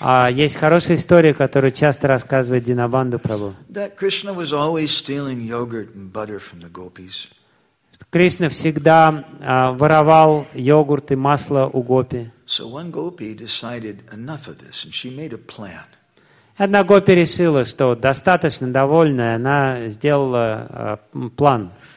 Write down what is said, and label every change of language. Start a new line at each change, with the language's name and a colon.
Russian: Есть хорошая история, которую часто рассказывает Динабанду Прабху. Кришна всегда воровал йогурт и масло у гопи.
English: So one gopi decided enough of this, and she made a plan.
Russian: Одна гопи решила, что достаточно довольна, и она сделала план.